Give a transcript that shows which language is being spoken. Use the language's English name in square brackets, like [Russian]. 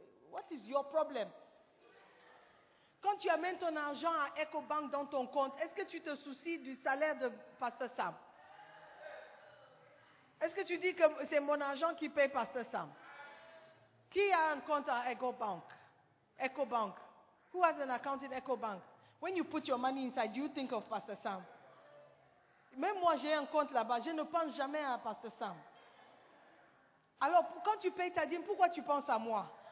[English] What is your problem? [French] Quand tu amènes ton argent à EcoBank dans ton compte, est-ce que tu te soucies du salaire de Pasteur Sam? Est-ce que tu dis que c'est mon argent qui paye Pasteur Sam? Qui a un compte à EcoBank? EcoBank. [English] Who has an account in EcoBank? When you put your money inside, do you think of Pasteur Sam? [French] Même moi, j'ai un compte là-bas. Je ne pense jamais à Pasteur Sam. Alors, quand tu payes ta dîme, pourquoi tu penses à moi?